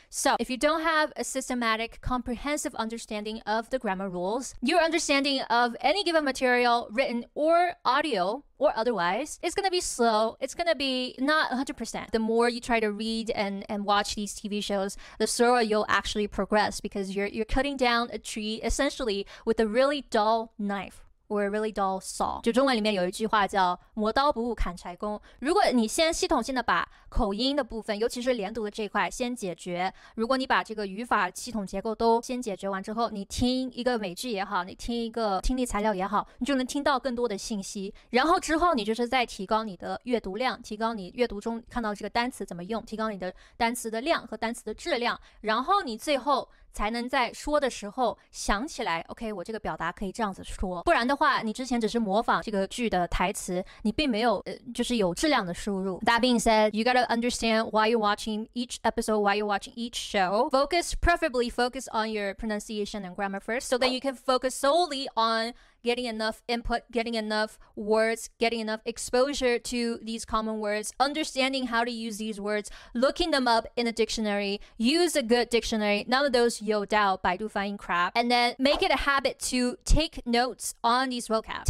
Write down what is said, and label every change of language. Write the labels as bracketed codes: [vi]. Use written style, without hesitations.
[en] So if you don't have a systematic, comprehensive understanding of the grammar rules, your understanding of any given material, written or audio or otherwise, is going to be slow. It's going to be not 100%. The more you try to read and watch these TV shows, the slower you'll actually progress, because you're cutting down a tree essentially with a really dull knife. Or a really dull saw. [zh] 就中文里面有一句话叫磨刀不误砍柴工。如果你先系统性的把口音的部分，尤其是连读的这块先解决，如果你把这个语法系统结构都先解决完之后，你听一个美剧也好，你听一个听力材料也好，你就能听到更多的信息。然后之后你就是在提高你的阅读量，提高你阅读中看到这个单词怎么用，提高你的单词的量和单词的质量，然后你最后才能在说的时候想起来 OK 我这个表达可以这样子说，不然的话你之前只是模仿这个剧的台词，你并没有就是有质量的输入。 [en] That being said, you gotta understand why you're watching each episode, why you're watching each show. Focus, preferably focus on your pronunciation and grammar first, so that you can focus solely on getting enough input, getting enough words, getting enough exposure to these common words, understanding how to use these words, looking them up in a dictionary, use a good dictionary, none of those Youdao, Baidu Fanyin crap, and then make it a habit to take notes on these vocab.